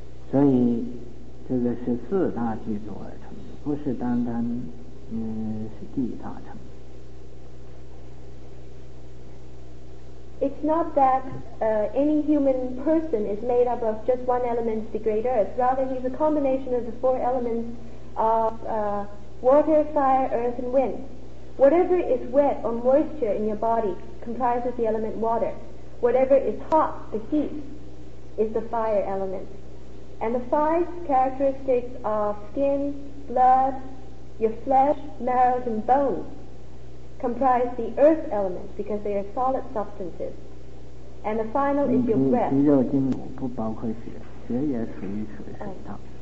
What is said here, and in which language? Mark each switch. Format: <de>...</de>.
<zh>所以这个是四大具足而成的，不是单单是地大成。</zh> <en>It's not that any human person is made up of just one element, the great earth. Rather, he's a combination of the four elements of water, fire, earth, and wind. Whatever is wet or moisture in your body comprises the element water. Whatever is hot, the heat, is the fire element. And the five characteristics of skin, blood, your flesh, marrow, and bones. Comprise the earth element because they are solid substances. And the final is your breath.</en> <zh>肌肉筋骨不包括血，血也属于水水道。</zh>